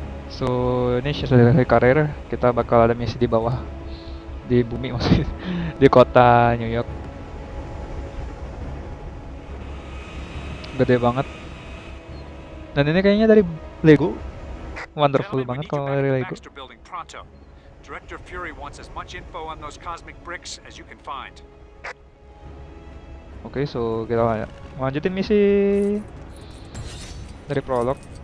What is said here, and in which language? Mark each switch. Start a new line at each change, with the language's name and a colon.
Indonesian: So, ini selesai karir, kita bakal ada misi di bawah. Di bumi maksudnya, di kota New York. Gede banget. Dan ini kayaknya dari Lego. Wonderful banget kalau dari Lego.
English: Director Fury wants as much info on those cosmic bricks as you can find.
Indonesian: Oke, so kita lanjutin misi dari prolog.